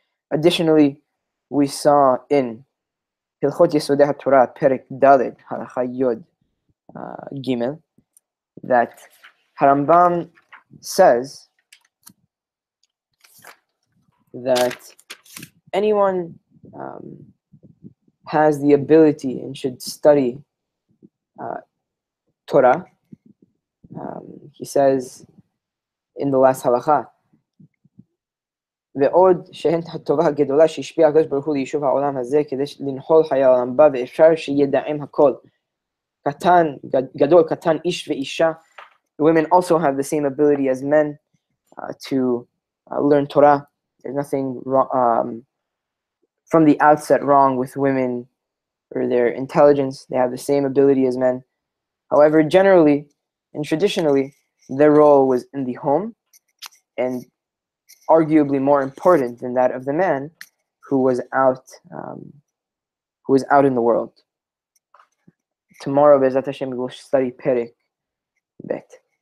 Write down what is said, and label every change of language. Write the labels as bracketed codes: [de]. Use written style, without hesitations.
[en] Additionally, we saw in Hilchot Yesodei HaTorah, Perek Dalet, Halacha Yod Gimel, that Harambam says that anyone has the ability and should study Torah. He says in the last halakha, [he] ועוד שהן הטובה הגדולה שהשפיע הקדוש ברוך הוא ליישוב העולם הזה כדי לנחול חיי העולם בה ואפשר שידעים הכל. קטן, גדול, קטן, איש ואישה. [en] Women also have the same ability as men learn Torah. There's nothing from the outset wrong with women or their intelligence. They have the same ability as men. However, generally and traditionally, their role was in the home and arguably more important than that of the man who was out in the world. Tomorrow, Be'ezat Hashem, we will study Perek Bet.